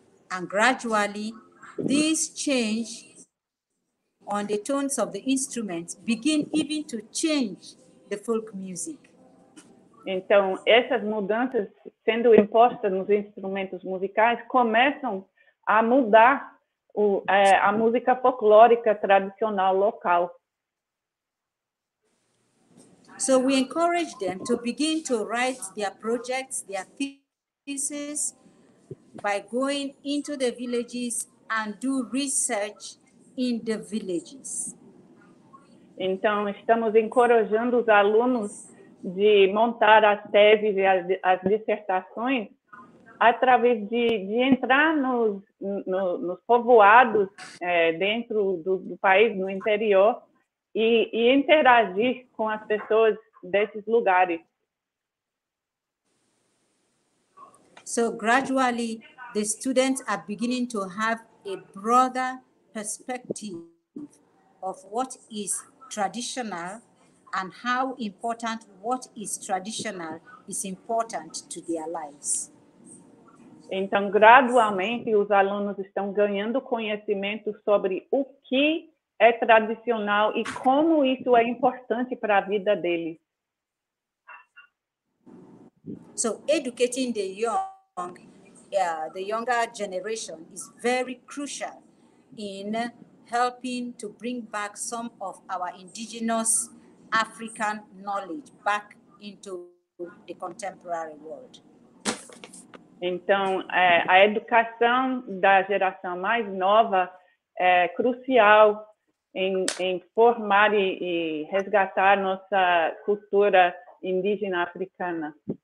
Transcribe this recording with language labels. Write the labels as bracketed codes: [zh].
[en] And gradually, this change on the tones of the instruments begin even to change the folk music. [pt] Então, essas mudanças sendo impostas nos instrumentos musicais começam a mudar a música folclórica tradicional local. [en] So we encourage them to begin to write their projects, their thesis, by going into the villages and do research in the villages. [pt] Então, estamos encorajando os alunos de montar as teses e as dissertações através de entrar nos povoados dentro do país, no interior, e interagir com as pessoas desses lugares. [en] So gradually the students are beginning to have a broader perspective of what is traditional and how important what is traditional is important to their lives. [pt] Então gradualmente os alunos estão ganhando conhecimento sobre o que é tradicional e como isso é importante para a vida deles. [en] So educating the young, the younger generation is very crucial in helping to bring back some of our indigenous African knowledge back into the contemporary world. [pt] Então, a educação da geração mais nova é crucial em formar e resgatar nossa cultura indígena africana.